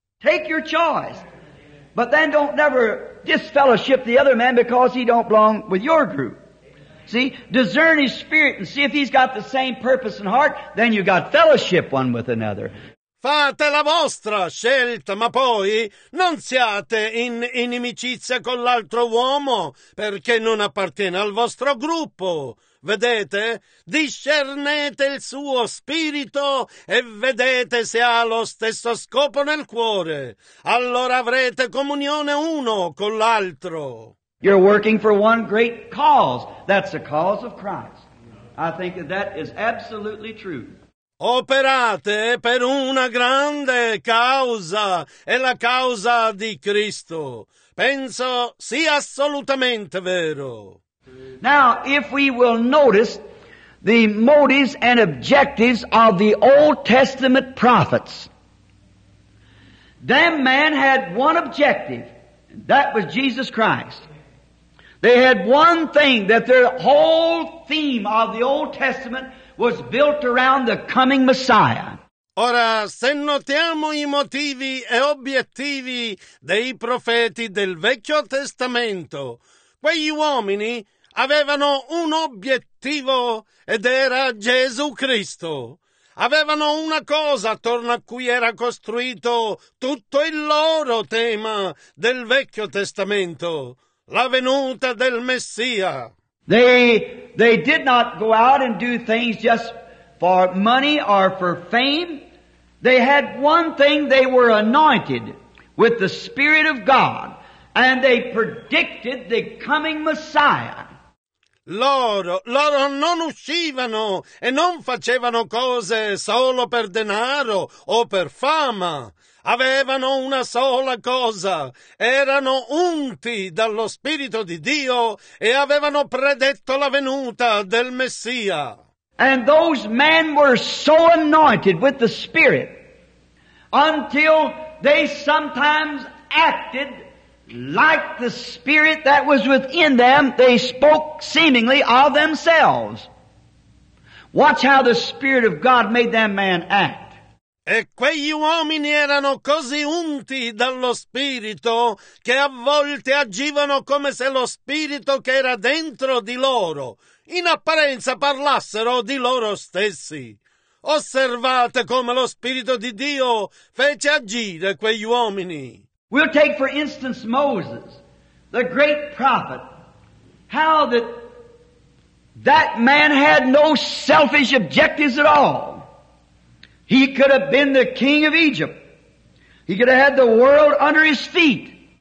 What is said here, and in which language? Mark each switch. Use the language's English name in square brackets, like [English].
[English] Take your choice, but then don't never disfellowship the other man because he don't belong with your group. See, discern his spirit and see if he's got the same purpose and heart, then you got fellowship one with another. [Italian] Fate la vostra scelta, ma poi non siate in inimicizia con l'altro uomo, perché non appartiene al vostro gruppo. Vedete? Discernete il suo spirito e vedete se ha lo stesso scopo nel cuore. Allora avrete comunione uno con l'altro. [English] You're working for one great cause. That's the cause of Christ. I think that is absolutely true. [Italian] Operate per una grande causa, è la causa di Cristo. Penso sia assolutamente vero. [English] Now, if we will notice the motives and objectives of the Old Testament prophets, that man had one objective. That was Jesus Christ. They had one thing that their whole theme of the Old Testament was built around the coming Messiah. [Italian] Ora, se notiamo i motivi e obiettivi dei profeti del Vecchio Testamento, quegli uomini avevano un obiettivo ed era Gesù Cristo. Avevano una cosa attorno a cui era costruito tutto il loro tema del Vecchio Testamento. La venuta del Messia. [English] They did not go out and do things just for money or for fame. They had one thing. They were anointed with the Spirit of God. And they predicted the coming Messiah. [Italian] Loro non uscivano e non facevano cose solo per denaro o per fama. Avevano una sola cosa, erano unti dallo Spirito di Dio e avevano predetto la venuta del Messia. [English] And those men were so anointed with the Spirit until they sometimes acted like the Spirit that was within them, they spoke seemingly of themselves. Watch how the Spirit of God made that man act. [Italian] E quegli uomini erano così unti dallo Spirito che a volte agivano come se lo Spirito che era dentro di loro in apparenza parlassero di loro stessi. Osservate come lo Spirito di Dio fece agire quegli uomini. [English] We'll take for instance Moses, the great prophet. How that man had no selfish objectives at all. He could have been the king of Egypt. He could have had the world under his feet.